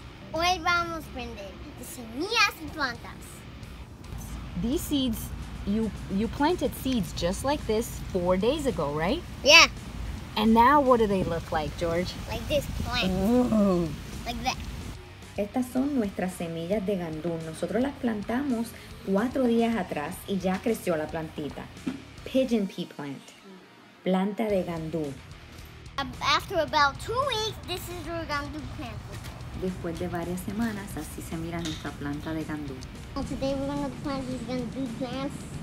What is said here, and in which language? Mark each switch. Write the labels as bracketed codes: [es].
[es] Hoy vamos a aprender de semillas y plantas. [en] These seeds, you planted seeds just like this 4 days ago, right? Yeah. And now what do they look like, George? Like this plant. Ooh. Like that. [es] Estas son nuestras semillas de gandul. Nosotros las plantamos 4 días atrás y ya creció la plantita. [en] Pigeon pea plant. [es] Planta de gandul. [en] After about 2 weeks, this is your gandul plant. [es] Después de varias semanas, así se mira nuestra planta de gandul. [en] And today we're going to plant these gandul plants.